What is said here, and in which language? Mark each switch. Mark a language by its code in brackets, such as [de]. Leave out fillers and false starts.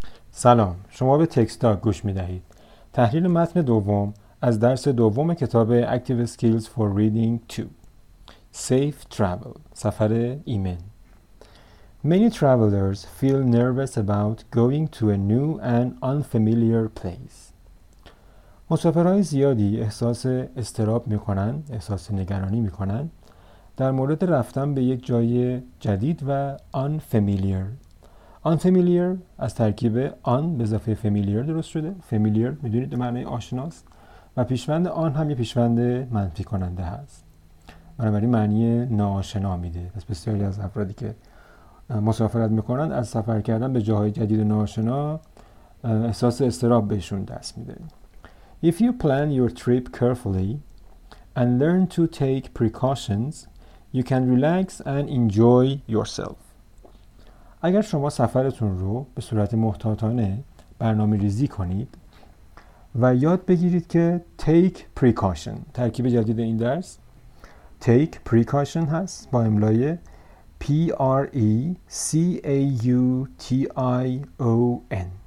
[fa] سلام، شما به تکستاک گوش می دهید. تحلیل متن دوم از درس دوم کتاب Active Skills for Reading 2 Safe Travel، سفر ایمن. [en] Many travelers feel nervous about going to a new and unfamiliar place. [fa] مسافرهای زیادی احساس استراب می کنند، احساس نگرانی می کنند در مورد رفتن به یک جای جدید و unfamiliar. Unfamiliar از ترکیب آن به اضافه familiar درست شده. Familiar میدونید به معنی آشناست و پیشوند آن هم یه پیشوند منفی کننده هست. بنابراین معنی ناآشنا میده. پس بسیاری از افرادی که مسافرت میکنند از سفر کردن به جاهای جدید ناآشنا احساس استراب بهشون دست میده. [en] If you plan your trip carefully and learn to take precautions, you can relax and enjoy yourself. [fa] اگر شما سفرتون رو به صورت محتاطانه برنامه ریزی کنید و یاد بگیرید که take precaution، ترکیب جدید این درس take precaution هست با املای precaution.